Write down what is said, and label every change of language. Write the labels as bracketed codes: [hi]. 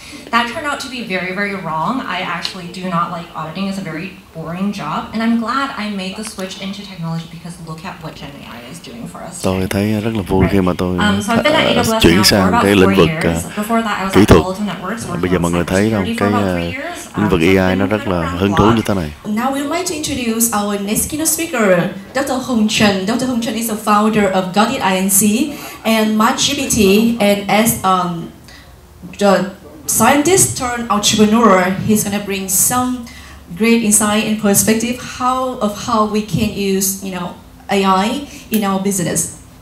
[en] That turned out to be very, very wrong. I actually do not like auditing. It's a very boring job, and I'm glad I made the switch into technology because look at what Gen AI is doing for us. [vi] Tôi thấy rất là vui khi mà tôi chuyển sang cái lĩnh vực kỹ thuật. Bây giờ mọi người thấy không, cái lĩnh vực AI nó rất là hứng thú như thế này. [en] Now we'd like to introduce our next keynote speaker, Dr. Hong Chen. Dr. Hong Chen is the founder of Guardian Inc. and MatGPT, and as the scientist turned entrepreneur, he's going to bring some great insight and perspective how we can use, you know, AI in our business.